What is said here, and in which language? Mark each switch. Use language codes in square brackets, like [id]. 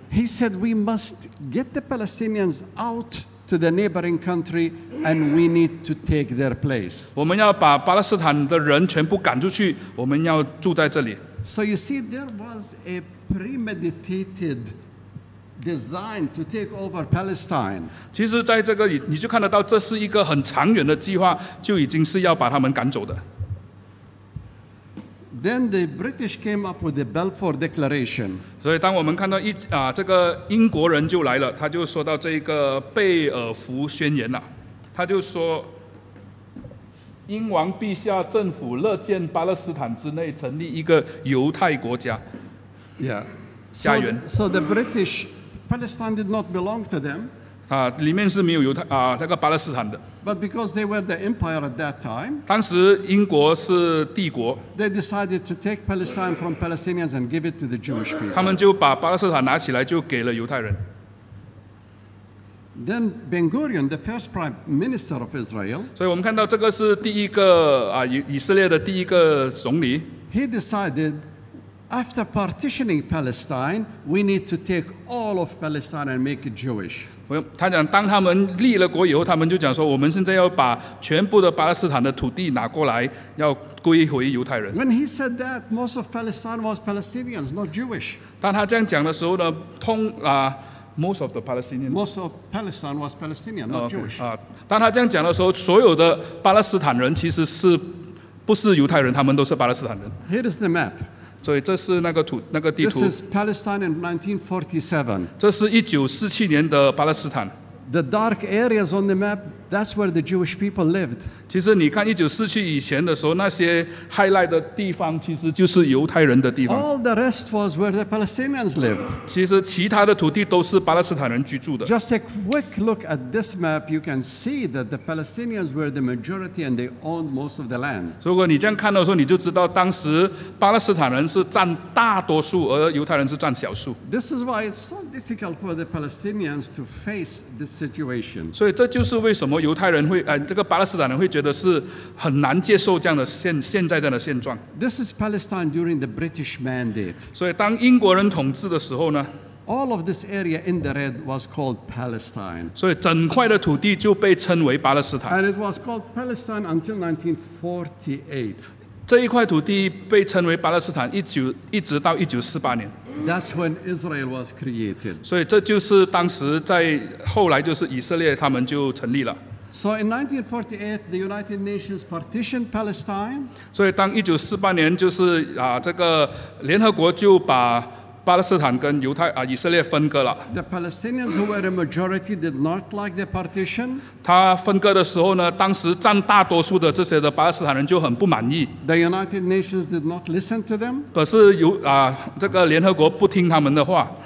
[en] He said we must get the Palestinians out to the neighboring country and we need to take their place. [zh] 我们要把巴勒斯坦的人全部赶出去，我们要住在这里。 [en] So you see, there was a premeditated designed to take over Palestine. [zh] 其实在这个你就看得到，这是一个很长远的计划，就已经是要把他们赶走的。 [en] Then the British came up with the Balfour Declaration. [zh] 所以当我们看到这个英国人就来了，他就说到这个贝尔福宣言了，他就说，英王陛下政府乐见巴勒斯坦之内成立一个犹太国家。 Yeah. 家园。 [en] So the British. Palestine did not belong to them. [zh] 啊，里面是没有犹太啊，那个巴勒斯坦的。 [en] But because they were the empire at that time, [zh] 当时英国是帝国。 [en] They decided to take Palestine from Palestinians and give it to the Jewish people. [zh] 他们就把巴勒斯坦拿起来，就给了犹太人。 [en] Then Ben Gurion, the first prime minister of Israel. [zh] 所以我们看到这个是第一个啊，以色列的第一个总理。 [en] He decided. After partitioning Palestine, we need to take all of Palestine and make it Jewish. [zh] 他讲，当他们立了国以后，他们就讲说，我们现在要把全部的巴勒斯坦的土地拿过来，要归回犹太人。 [en] When he said that, most of Palestine was Palestinians, not Jewish. [zh] 当他这样讲的时候呢， [en] most of the Palestinians. Most of Palestine was Palestinian, not Jewish. [zh] 当他这样讲的时候，所有的巴勒斯坦人其实是不是犹太人，他们都是巴勒斯坦人。 [en] Here is the map. [zh] 所以这是那个土那个地图。 [en] This is Palestine in 1947. [zh] 这是1947年的巴勒斯坦。 [en] The dark areas on the map, that's where the Jewish people lived. [zh] 其实你看1947以前的时候，那些 highlight 的地方其实就是犹太人的地方。 [en] All the rest was where the Palestinians lived. [zh] 其实其他的土地都是巴勒斯坦人居住的。 [en] Just a quick look at this map, you can see that the Palestinians were the majority and they owned most of the land. [zh] 如果你这样看的时候，你就知道当时巴勒斯坦人是占大多数，而犹太人是占小数。 [en] This is why it's so difficult for the Palestinians to face this. Situation. [zh] 所以这就是为什么犹太人会，这个巴勒斯坦人会觉得是很难接受这样的现在这样的现状。 [en] This is Palestine during the British mandate. [zh] 所以当英国人统治的时候呢 [en] ，All of this area in the red was called Palestine. [zh] 所以整块的土地就被称为巴勒斯坦。 [en] And it was called Palestine until 1948. [zh] 这一块土地被称为巴勒斯坦，一直到1948年。 [en] That's when Israel was created. [zh] 所以这就是当时在后来就是以色列他们就成立了。 [en] So in 1948, the United Nations partitioned Palestine. [zh] 所以当1948年，就是联合国就把巴勒斯坦跟犹太以色列分割了。 [en] The Palestinians who were a majority did not like the partition. [zh] 他分割的时候呢，当时占大多数的这些的巴勒斯坦人就很不满意。 [en] The United Nations did not listen to them. [zh] 可是联合国不听他们的话。